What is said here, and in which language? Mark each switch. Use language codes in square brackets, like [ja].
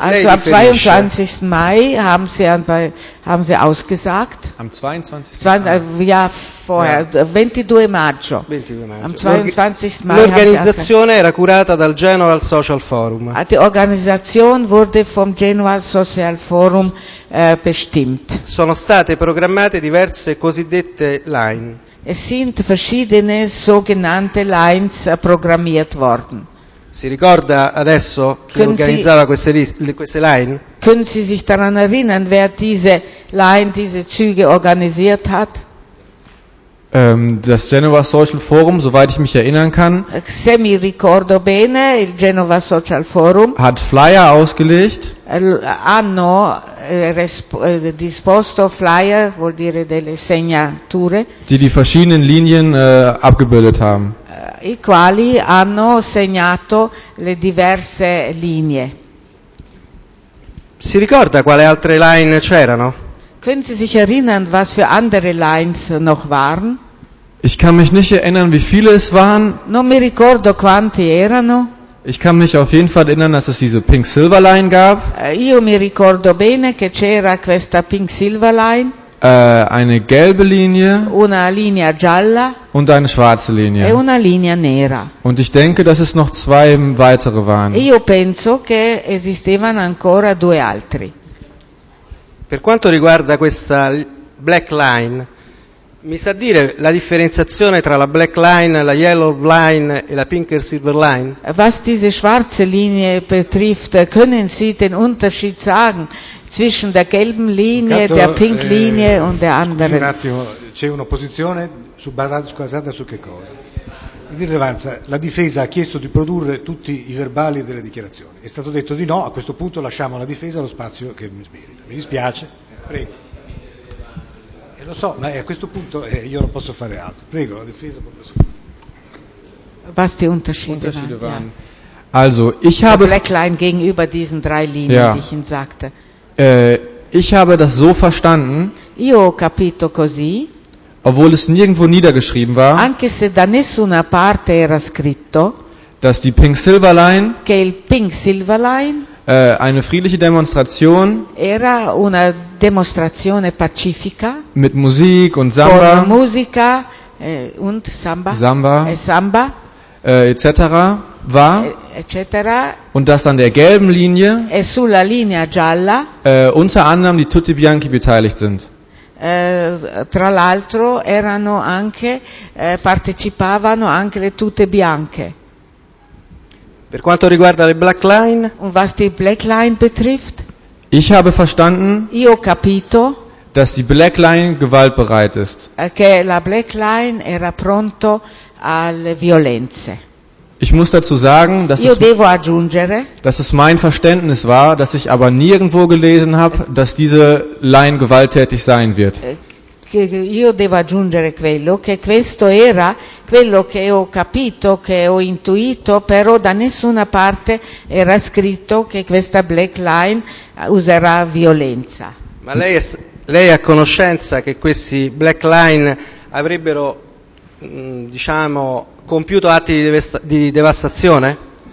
[de] lei am 22 Mai haben sie ausgesagt am 22 ja vorher 22 maggio am 22 Mai [it] l'organizzazione era curata dal General Social Forum. [de] Die Organisation wurde vom General Social Forum bestimmt. [it] Sono state programmate diverse cosiddette line. [de] Es sind verschiedene sogenannte lines programmiert worden. [it] Si ricorda adesso chi organizzava queste line? [de] Können Sie sich daran erinnern, wer diese line, diese Züge organisiert hat? Das Genova Social Forum, soweit ich mich erinnern kann. [it] Se mi ricordo bene, il Genova Social Forum [de] hat Flyer ausgelegt. [it] Hanno disposto Flyer, vuol dire delle segnature. [de] Die verschiedenen Linien abgebildet haben. [it] I quali hanno segnato le diverse linee. Si ricorda quale altre line c'erano? [de] Können Sie sich erinnern, was für andere lines noch waren? Ich kann mich nicht erinnern, wie viele es waren. [it] Non mi ricordo quanti erano. [de] Ich kann mich auf jeden Fall erinnern, dass es diese Pink Silver Line gab. [it] Io mi ricordo bene che c'era questa Pink Silver Line. [de] Eine gelbe Linie. [it] Una linea gialla. [de] Und eine schwarze Linie. [it] E una linea nera. [de] Und ich denke, dass es noch zwei weitere waren. [it] Io penso che esistevano ancora due altri. Per quanto riguarda questa black line, mi sa dire la differenziazione tra la black line, la yellow line e la pink or silver line? [de] Was diese schwarze Linie betrifft, können Sie den Unterschied sagen zwischen der gelben Linie, der pink Linie und der anderen? [it] Scusi un attimo, c'è un'opposizione basata su che cosa? In rilevanza, la difesa ha chiesto di produrre tutti i verbali delle dichiarazioni. È stato detto di no, a questo punto lasciamo alla difesa lo spazio che mi merita. Mi dispiace, prego. E lo so, ma a questo punto io non posso fare altro. Prego, la difesa può passare. [de] Basti Unterschiede waren. Also, ich habe... Black line gegenüber diesen drei Linien, ja, die ich Ihnen sagte. Ich habe das so verstanden. [it] Io ho capito così. [de] Obwohl es nirgendwo niedergeschrieben war, [it] anche se da nessuna parte era scritto, [de] dass die Pink Silver Line, [it] che il Pink Silver Line [de] eine friedliche Demonstration, [it] era una demonstrazione pacifica, [de] mit Musik und Samba, [it] con musica und Samba, Samba, e Samba [de] etc. war, etc. und dass an der gelben Linie [it] e sulla linea gialla, [de] unter anderem die Tutti Bianchi beteiligt sind. [it] Tra l'altro erano anche partecipavano anche le tute bianche. Per quanto riguarda le black line, [de] und was die black line betrifft, ich habe verstanden, [it] io ho capito, [de] dass die black line gewaltbereit ist, [it] che la black line era pronto alle violenze. [de] Ich muss dazu sagen, dass es mein Verständnis war, dass ich aber nirgendwo gelesen habe, dass diese Line gewalttätig sein wird. [it] Io devo aggiungere quello, che questo era quello che ho capito, che ho intuito, però da nessuna parte era scritto che questa black line userà violenza. Ma lei ha conoscenza che questi black line avrebbero, diciamo, compiuto atti di devastazione?